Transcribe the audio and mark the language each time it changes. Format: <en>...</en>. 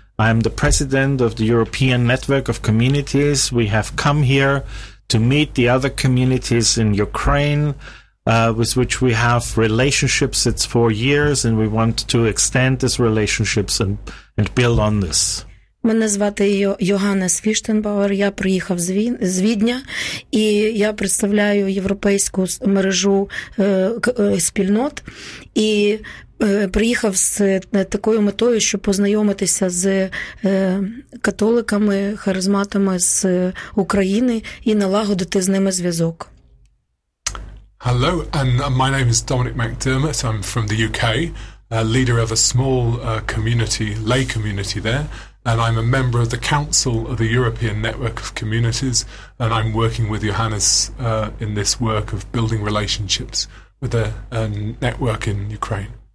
<en>I'm the president of the European Network of Communities. We have come here to meet the other communities in Ukraine, with which we have relationships. It's 4 years, and we want to extend these relationships and build on this.</en> <uk>Мене звати Йоганнес Фіштенбауер, я приїхав з Відня, і я представляю європейську мережу спільнот, і приїхав з такою метою, щоб познайомитися з католиками, харизматами з України і налагодити з ними зв'язок.</uk> <en>Hello, and my name is Dominic McDermott, I'm from the UK, leader of a small community, lay community there. And I'm a member of the Council of the European Network of Communities, and I'm working with Johannes in this work of building relationships with a network in Ukraine.</en>